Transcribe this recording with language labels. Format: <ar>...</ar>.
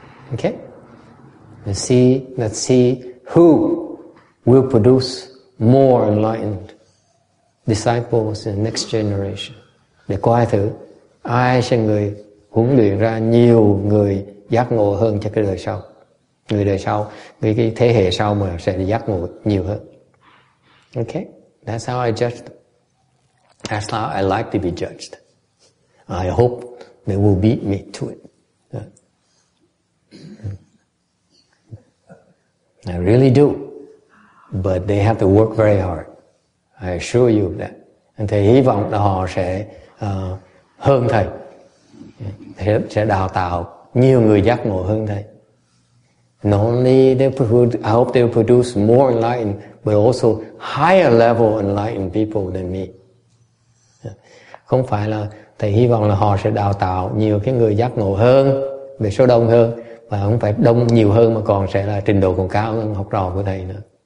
<en>Okay, let's see who will produce more enlightened disciples in the next generation.</en> <vi>Để coi thử ai sẽ người huấn luyện ra nhiều người giác ngộ hơn cho cái đời sau. Người đời sau, cái thế hệ sau mà sẽ giác ngộ nhiều hơn.</vi> <en>Okay, that's how I judge them. That's how I like to be judged. I hope they will beat me to it. I really do. But they have to work very hard. I assure you of that.</en> <vi>And thầy hy vọng là họ sẽ hơn thầy. Thầy sẽ đào tạo nhiều người giác ngộ hơn thầy.</vi> <en>Not only I hope they will produce more enlightened, but also higher level enlightened people than me.</en> <vi>Không phải là thầy hy vọng là họ sẽ đào tạo nhiều cái người giác ngộ hơn, về số đông hơn, và không phải đông nhiều hơn mà còn sẽ là trình độ còn cao hơn học trò của thầy nữa.</vi>